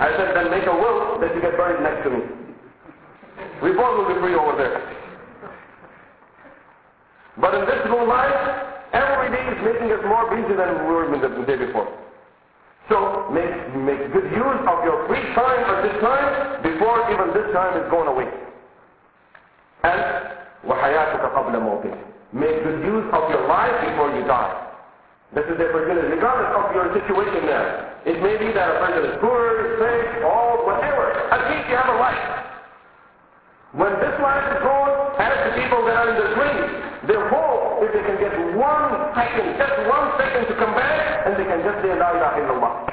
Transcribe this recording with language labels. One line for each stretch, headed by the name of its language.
English: I said, then make a will that you get buried next to me. We both will be free over there. But in this whole life, every day is making us more busy than we were the day before. So make good use of your free time at this time before even this time is gone away. And
Arabic: وَحَيَاتُكَ قَبْلَ مَوْتِكَ.
English: Make good use of your life before you die. This is the opportunity, regardless of your situation there. It may be that a person is poor, sick, old, whatever. At least you have a life. When this life is gone, as the people that are in the dream, they hope if they can get 1 second, just 1 second to come back, and they can just say,
Arabic: La ilaha illallah.